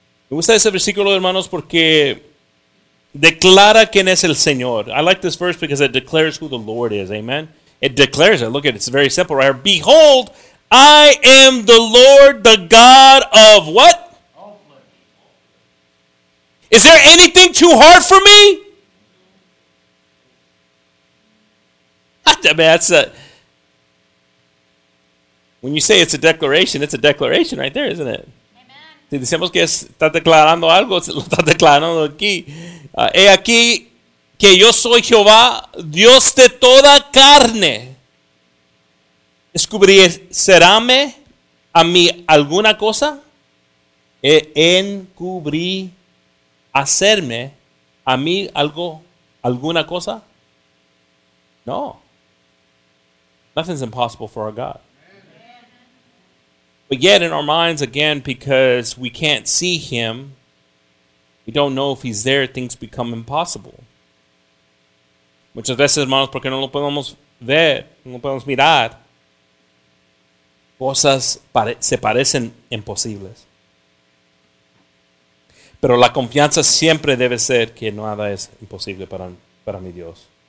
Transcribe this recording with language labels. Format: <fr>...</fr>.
<es>Me gusta ese versículo, hermanos, porque declara quién es el Señor.</es> <en>I like this verse because it declares who the Lord is. Amen. It declares it. Look at it. It's very simple right here. Behold, I am the Lord, the God of what? Is there anything too hard for me? That's a When you say it's a declaration right there, isn't it? Amen.</en> <es>Si decimos que está declarando algo, lo está declarando aquí. He aquí que yo soy Jehová, Dios de toda carne. ¿Encubriréme a mí alguna cosa? ¿Encubriréme a mí algo, alguna cosa? No.</es> <en>Nothing's impossible for our God. But yet in our minds, again, because we can't see him, we don't know if he's there, things become impossible.</en> <es>Muchas veces, hermanos, porque no lo podemos ver, no podemos mirar, cosas se parecen imposibles. Pero la confianza siempre debe ser que nada es imposible para mi Dios.</es>